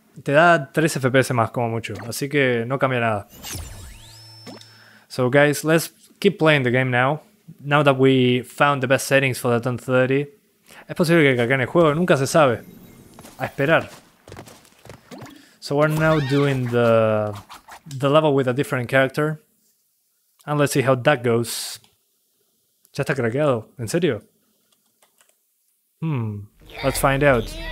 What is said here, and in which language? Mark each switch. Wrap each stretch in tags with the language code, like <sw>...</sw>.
<es>Te da 3 FPS más como mucho, así que no cambia nada.</es> <en>So guys, let's keep playing the game now. Now that we found the best settings for the 1030.</en> <es>Es posible que caiga en el juego, nunca se sabe. A esperar.</es> <en>So we're now doing the level with a different character. And let's see how that goes.</en> <es>Ya está craqueado, ¿en serio?</es> <en>Let's find out.</en>